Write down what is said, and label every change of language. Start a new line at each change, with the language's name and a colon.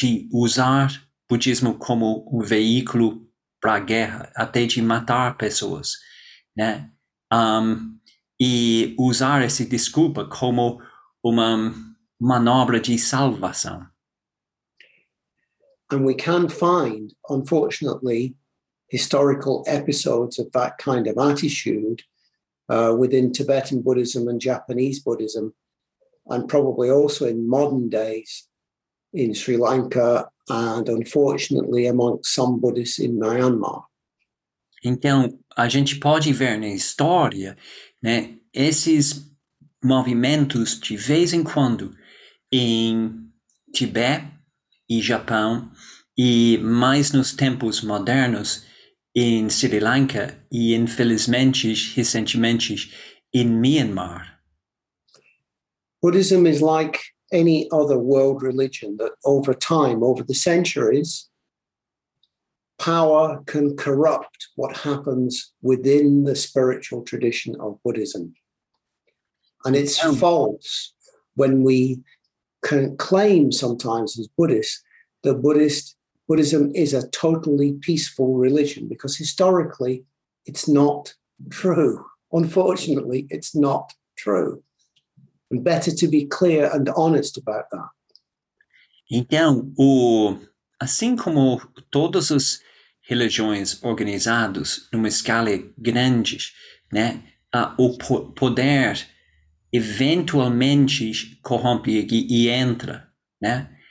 Portuguese: usar o budismo como um veículo para a guerra, até de matar pessoas, né? E usar essa desculpa como uma manobra de salvação.
English: And we can find, unfortunately, historical episodes of that kind of attitude within Tibetan Buddhism and Japanese Buddhism, and probably also in modern days in Sri Lanka, and unfortunately among some Buddhists in Myanmar.
Portuguese: Então, a gente pode ver na história, né, esses movimentos de vez em quando em Tibete e Japão, e mais nos tempos modernos em Sri Lanka e, infelizmente, recentemente, em Myanmar.
English: Buddhism is like any other world religion that over time, over the centuries, power can corrupt what happens within the spiritual tradition of Buddhism. And it's false when we can claim sometimes as Buddhists that Buddhism is a totally peaceful religion, because historically it's not true. Unfortunately, it's not true. And better to be clear and honest about that.
Portuguese: Então, assim como todas as religiões organizadas numa escala grande, né, o poder eventualmente corrompe e entra, né?